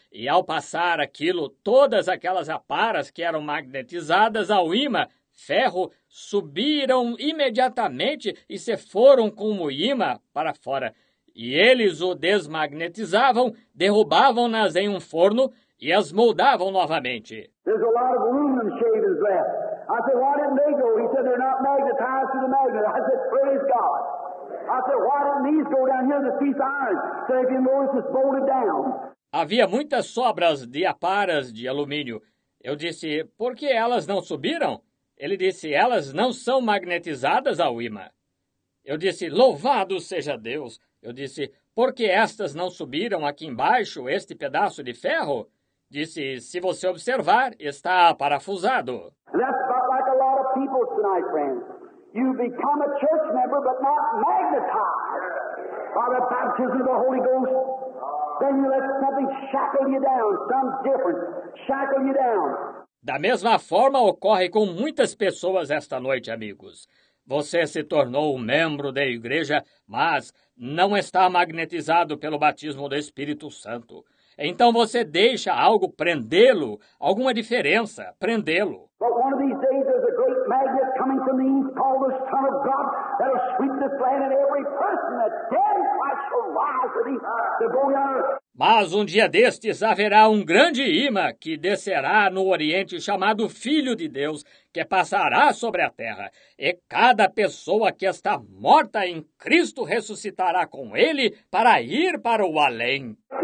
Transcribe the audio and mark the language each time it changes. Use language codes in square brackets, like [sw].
[pt] E ao passar aquilo, todas aquelas aparas que eram magnetizadas ao ímã, ferro, subiram imediatamente e se foram como imã para fora. E eles o desmagnetizavam, derrubavam-nas em um forno e as moldavam novamente. [en] There's a lot of aluminum shavings left. I said, why didn't they go? He said, they're not magnetized to the magnet. I said, praise God. I said, why don't these go down here to the piece of iron? So they can notice it's bolted down. [pt] Havia muitas sobras de aparas de alumínio. Eu disse, por que elas não subiram? Ele disse, elas não são magnetizadas ao ímã. Eu disse, louvado seja Deus. Eu disse, por que estas não subiram aqui embaixo, este pedaço de ferro? Disse, se você observar, está parafusado. [en] That's about like a lot of people tonight, friends. You become a church member, but not magnetized by the baptism of the Holy Ghost. Then you let something shackle you down, some different, shackle you down. [pt] Da mesma forma, ocorre com muitas pessoas esta noite, amigos. Você se tornou um membro da igreja, mas não está magnetizado pelo batismo do Espírito Santo. Então você deixa algo prendê-lo, alguma diferença, prendê-lo. [en] But one of these days there's a great magnet coming from the east called the Son of God that will sweep this land and every person that dares watch the rise of the going on earth. [pt] Mas um dia destes haverá um grande ímã que descerá no Oriente chamado Filho de Deus, que passará sobre a terra. E cada pessoa que está morta em Cristo ressuscitará com ele para ir para o além.